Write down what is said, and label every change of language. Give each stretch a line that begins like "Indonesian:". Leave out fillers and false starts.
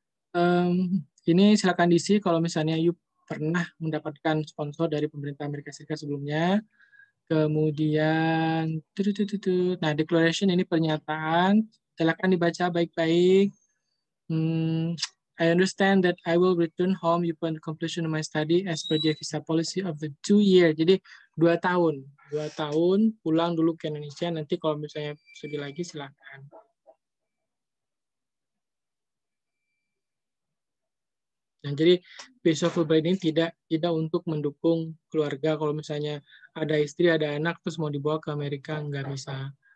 Indonesian: Ini silakan diisi kalau misalnya you pernah mendapatkan sponsor dari pemerintah Amerika Serikat sebelumnya. Kemudian, nah, declaration ini pernyataan. Silakan dibaca baik-baik.
English: I understand that I will return home upon completion of my study as per the visa policy of the 2 year.
Indonesian: Jadi 2 tahun. 2 tahun pulang dulu ke Indonesia. Nanti kalau misalnya sedih lagi silakan. Nah, jadi visa Fulbright ini tidak untuk mendukung keluarga kalau misalnya ada istri, ada anak terus mau dibawa ke Amerika nggak bisa.